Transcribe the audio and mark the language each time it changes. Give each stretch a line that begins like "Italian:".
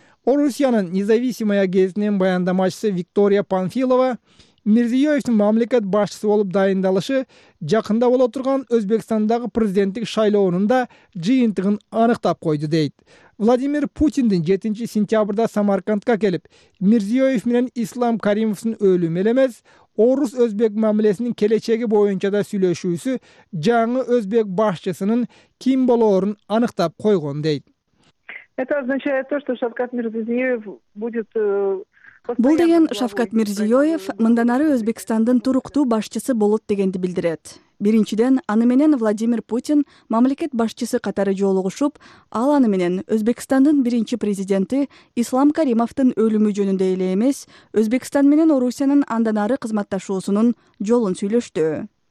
Kyrgyz: Орусиянын Независимая гезитинин баяндамачысы Виктория Панфилова Мирзиёевдин мамлекет башчысы болуп дайындалышы жакында боло турган Өзбекстандагы президенттик шайлоонун да жыйынтыгын аныктап койду дейт. Владимир Путиндин 7 сентябрда Самаркандка келип, Мирзиёев менен Ислам Каримовдун өлүмү эле эмес, орус өзбек мамилесинин келечеги боюнча да сүйлөшүүсү жаңы өзбек башчысынын ким болоорун аныктап койгон дейт.
Russian: Это означает то, что Шавкат Мирзиёев будет
Kyrgyz: Бул деген Шавкат Мирзиёев мындан ары Өзбекстандын туруктуу башчысы болот дегенди билдирет. Биринчиден, аны менен Владимир Путин мамлекет башчысы катары жолугушуп, ал аны менен Өзбекстандын биринчи президенти Ислам Каримовдун өлүмү жөнүндө эле эмес, Өзбекстан менен Орусиянын андан ары кызматташуусунун жолун сүйлөштү.